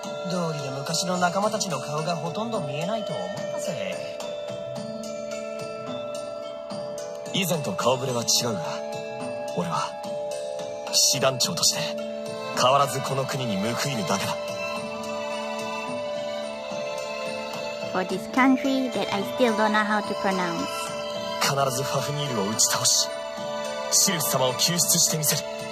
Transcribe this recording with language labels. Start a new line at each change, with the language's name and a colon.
Japanese: 道理で昔の仲間たちの顔がほとんど見えないと思ったぜ。以前と顔ぶれは違うが、俺は師団長として変わらずこの国に報いるだけだ。
English: For this country that I still don't know how to pronounce。
Japanese: 必ずファフニールを打ち倒し、シルス様を救出してみせる。